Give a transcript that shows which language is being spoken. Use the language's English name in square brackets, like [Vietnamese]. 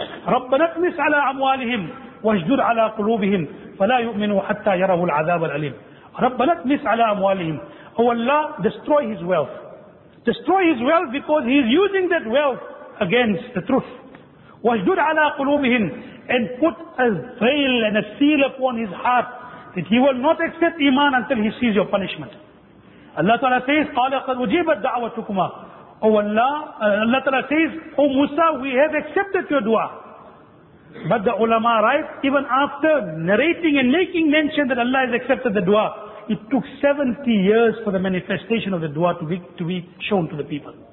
[Arabic] رَبَّنَا اطْمِسْ عَلَىٰ أَمْوَالِهِمْ وَاجْدُرْ عَلَىٰ قُلُوبِهِمْ فَلَا يُؤْمِنُوا حَتَّى يَرَهُ الْعَذَابَ الْعَلِيمِ رَبَّنَا اطْمِسْ عَلَىٰ أَمْوَالِهِمْ. [English] Oh Allah, destroy his wealth. Destroy his wealth because he is using that wealth against the truth. [Arabic] وَاجْدُرْ عَلَىٰ قُلُوبِهِمْ. [English] And put a veil and a seal upon his heart that he will not accept iman until he sees your punishment. Allah Ta'ala says, [Arabic] قَالَ قَدْ أُجِيبَتْ دَعْوَتُكُمَا. [English] Allah Ta'ala says, O Musa, we have accepted your dua. But the ulama writes, even after narrating and making mention that Allah has accepted the dua, it took 70 years for the manifestation of the dua to be shown to the people.